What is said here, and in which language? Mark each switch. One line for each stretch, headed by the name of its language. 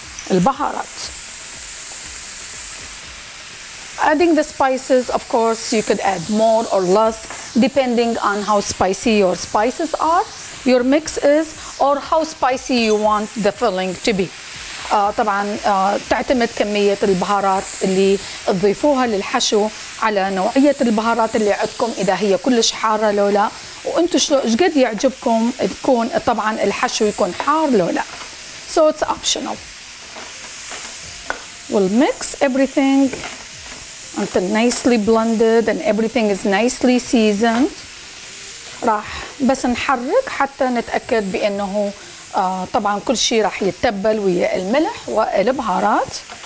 Arabic: البهارات.
English: Adding the spices, of course, you could add more or less depending on how spicy your spices are, your mix is, or how spicy you want the filling to be.
Arabic: طبعا تعتمد كمية البهارات اللي تضيفوها للحشو على نوعية البهارات اللي عندكم، إذا هي كلش حارة لو لا، وأنتوا إيش قد يعجبكم تكون طبعا الحشو يكون حار لو لا.
English: So it's optional. We'll mix everything until nicely blended and everything is nicely seasoned.
Arabic: راح بس نحرك حتى نتأكد بأنه طبعا كل شيء راح يتبل ويا الملح والبهارات.